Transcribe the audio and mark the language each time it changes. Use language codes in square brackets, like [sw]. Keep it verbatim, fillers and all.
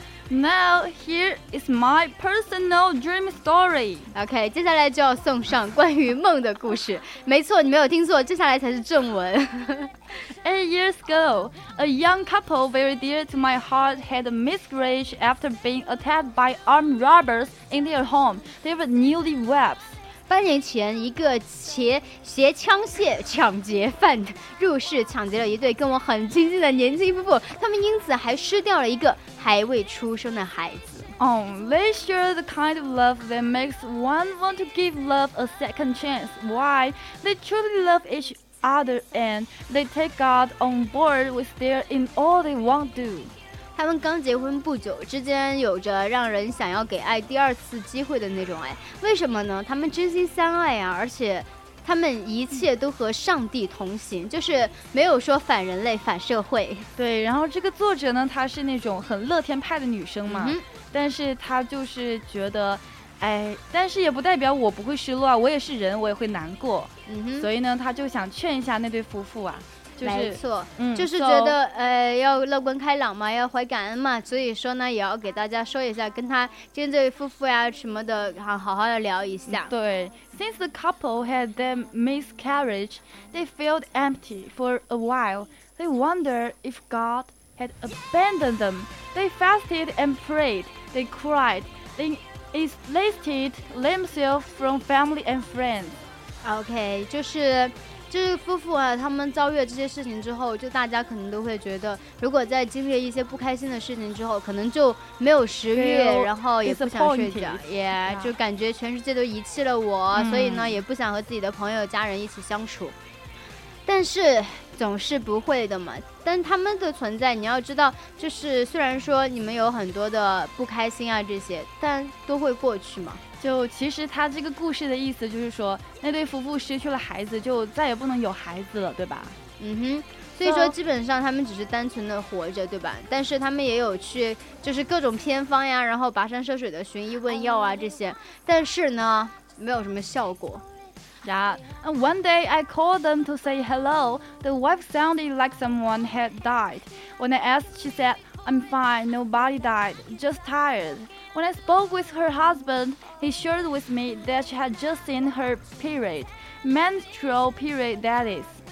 [en] Now here is my personal dream story. [zh] OK， 接下来就要送上关于梦的故事。没错，你没有听错，接下来才是正文。 [en] Eight years ago, a young couple very dear to my heart had a miscarriage after being attacked by armed robbers in their home. They were newlyweds. [zh] 八年前，一个携携枪械抢劫犯入室，抢劫了一对跟我很亲近的年轻夫妇，他们因此还失掉了一个还未出生的孩子。 [en] Oh, they share the kind of love that makes one want to give love a second chance. Why? They truly love each other and they take God on board with their in all they want to do. [zh] 他们刚结婚不久之间，有着让人想要给爱第二次机会的那种爱。为什么呢？他们真心相爱啊，而且他们一切都和上帝同行，就是没有说反人类反社会。对，然后这个作者呢，她是那种很乐天派的女生嘛、嗯、但是她就是觉得哎，但是也不代表我不会失落啊，我也是人，我也会难过、嗯、哼，所以呢她就想劝一下那对夫妇啊，就是、没错、嗯、就是觉得、so, 呃要乐观开朗嘛，要怀感恩嘛，所以说呢也要给大家说一下，跟他跟这夫妇呀什么的好好的聊一下。 [en] 对， Since the couple had their miscarriage, they felt empty for a while. They wondered if God had abandoned them. They fasted and prayed. They cried. They isolated themselves from family and friends. [zh] OK, 就是就是夫妇啊，他们遭遇这些事情之后，就大家可能都会觉得，如果在经历一些不开心的事情之后，可能就没有食欲，然后也不想睡觉，也、yeah, yeah. 就感觉全世界都遗弃了我、嗯、所以呢，也不想和自己的朋友、家人一起相处。但是总是不会的嘛，但他们的存在，你要知道，就是虽然说你们有很多的不开心啊这些，但都会过去嘛。就其实他这个故事的意思就是说，那对夫妇失去了孩子，就再也不能有孩子了，对吧？嗯哼，所以说基本上他们只是单纯的活着，对吧？但是他们也有去就是各种偏方呀，然后跋山涉水的寻医问药啊这些，但是呢没有什么效果。 [en] Yeah, and one day I called them to say hello. The wife sounded like someone had died. When I asked, she said, I'm fine, nobody died, just tired. When I spoke with her husband, he shared with me that she had just seen her period, menstrual period that is.